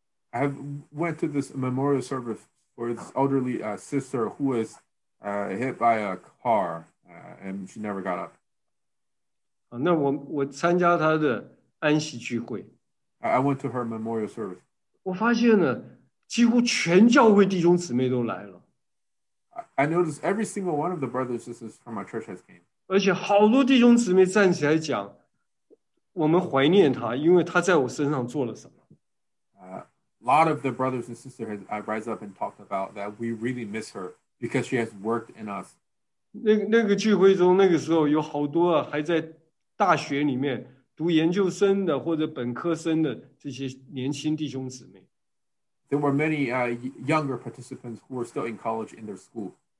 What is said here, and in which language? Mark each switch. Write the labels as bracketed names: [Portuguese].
[English] I have went to this memorial service for this elderly sister who was hit by a car and she never got up. [Chinese] 那我参加她的安息聚会。 [English] I went to her memorial service. [Chinese] 我发现呢，几乎全教会弟兄姊妹都来了。 [English] I noticed every single one of the brothers and sisters from our church has came. [Chinese] 而且好多弟兄姊妹站起来讲，我们怀念他，因为他在我身上做了什么。 [English] A lot of the brothers and sisters has rise up and talked about that we really miss her because she has worked in us. [Chinese] 那个聚会中，那个时候有好多还在大学里面读研究生的或者本科生的这些年轻弟兄姊妹。 [English] There were many younger participants who were still in college in their school.